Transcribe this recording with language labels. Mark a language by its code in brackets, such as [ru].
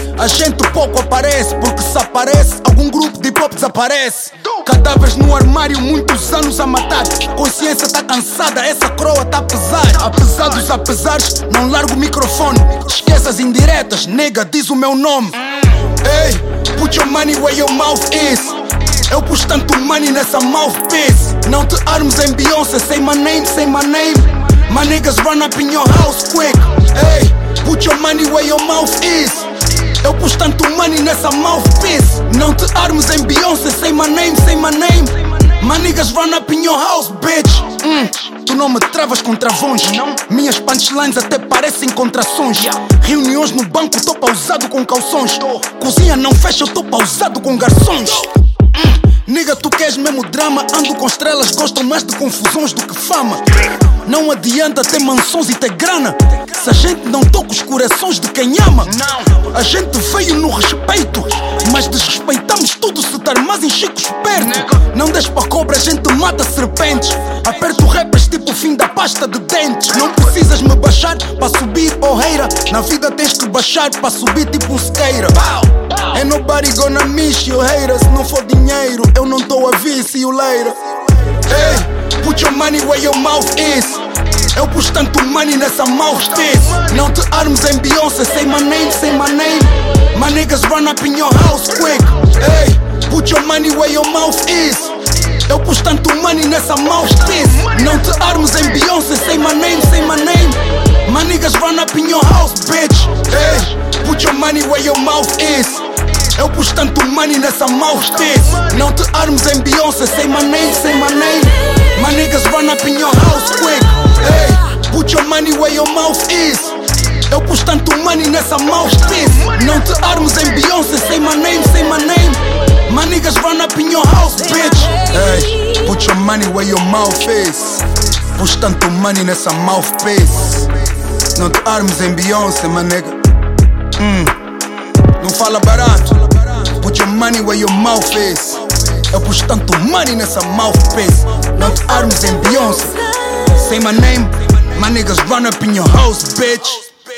[pt] A gente pouco aparece, porque se aparece, algum grupo de pop desaparece. Cadáveres no armário, muitos anos a matar. Consciência tá cansada, essa coroa tá pesada. Apesar dos apesares, não largo o microfone. Esqueça as indiretas, nega, diz o meu nome. [en] Ei, hey, put your money where your mouth is. [pt] Eu pus tanto money nessa mouthpiece. Não te armes em Beyoncé, [en] say my name, say my name. My niggas run up in your house quick. Ei, hey, put your money where your mouth is. [pt] Eu pus tanto money nessa mouthpiece. Não te armes em Beyoncé, [en] say my name, say my name. My niggas run up in your house, bitch. [pt] Tu não me travas com travões. Minhas punchlines até parecem contrações. Reuniões no banco, tô pausado com calções. Cozinha não fecha, eu tô pausado com garçons. Nigga, tu queres mesmo drama? Ando com estrelas, gostam mais de confusões do que fama. Não adianta ter mansões e ter grana, se a gente não toca os corações de quem ama. A gente veio no respeito, mas desrespeitamos tudo se estar mais em chicos perto. Não deixe pra cobra, a gente mata serpentes. Aperto rappers tipo o fim da pasta de dentes. Não precisas me baixar pra subir, oh heira. Na vida tens que baixar pra subir tipo um skater. [en] Ain't nobody gonna miss you, haters. [pt] Se não for dinheiro, eu não tô a ver, [en] see you later. Hey, put your money where your mouth is. [pt] Eu pus tanto money nessa mouthpiece. Não te armes em Beyoncé, [en] say my name, say my name. My niggas run up in your house quick. Hey, put your money where your mouth is. [pt] Eu pus tanto money nessa mouthpiece. Não te armes em Beyoncé, [en] say my name, say my name. My niggas run up in your house, bitch. Hey, put your money where your mouth is. [pt] Eu pus tanto money nessa mouthpiece. Não te armes em Beyoncé, [en] say my name, say my name. My niggas run up in your house quick. Hey, put your money where your mouth is. [pt] Eu pus tanto money nessa mouthpiece. Não te armes em Beyoncé, [en] say my name, say my name. My niggas run up in your house, bitch. Hey, put your money where your mouth is. [pt] Pus tanto money nessa mouthpiece. Não te armes em Beyoncé, my nigga. Não fala barato. [en] Put your money where your mouth is. [pt] Eu pus tanto money nessa mouthpiece. Não te armes em Beyoncé. [en] Say my name, my niggas run up in your house, bitch.